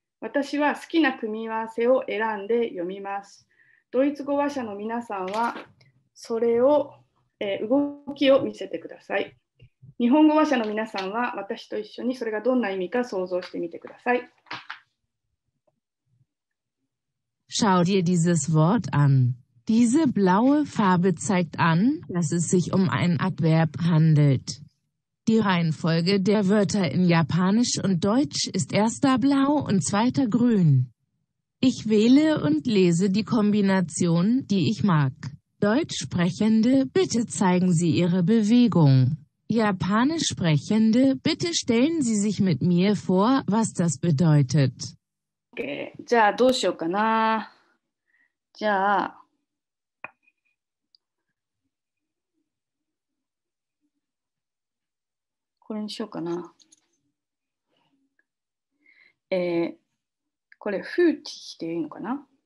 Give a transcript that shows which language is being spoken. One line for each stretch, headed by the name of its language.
Japanese: 私は好きな組み合わせを選んで読みます。ドイツ語話者の皆さんはそれを、動きを見せてください。日本語話者の皆さんは私と一緒にそれがどんな意味か想像してみてください。
German: Schau dir dieses Wort an. Diese blaue Farbe zeigt an, dass es sich um ein Adverb handelt. Die Reihenfolge der Wörter in Japanisch und Deutsch ist erster blau und zweiter grün. Ich wähle und lese die Kombination, die ich mag. Deutsch Sprechende, bitte zeigen Sie Ihre Bewegung. Japanisch Sprechende, bitte stellen Sie sich mit mir vor, was das bedeutet.
Japanese: じゃあどうしようかな。じゃあ、これにしようかな。これ、フーティヒでいいのかな。